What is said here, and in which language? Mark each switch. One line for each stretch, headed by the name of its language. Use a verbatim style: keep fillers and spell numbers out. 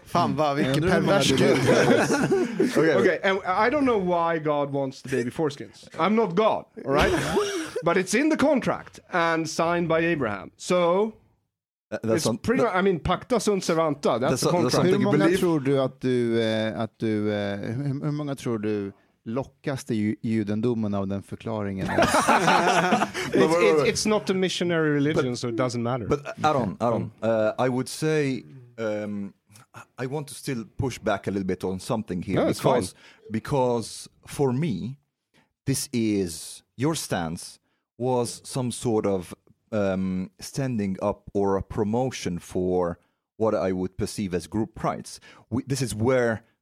Swedish: Fan vad, vilken pervers gud.
English: Okay, okay, and I don't know why God wants the baby foreskins. I'm not God, all right? But it's in the contract and signed by Abraham. So, uh, that's it's on, pretty that, much, I mean,
Latin: pacta sunt servanta,
English: that's, that's the contract.
Swedish: Hur många tror du att du... Eh, att du eh, hur, hur många tror du... lockas till judendomen av den förklaringen.
English: it's, it's, it's not a missionary religion, but, so it doesn't matter. But Aaron, Aaron, uh, I would say um, I want to still push back a little bit on something here. No, because, because for me, this is, your stance was some sort of um, standing up or a promotion for what I would perceive as group prides. We, this is where...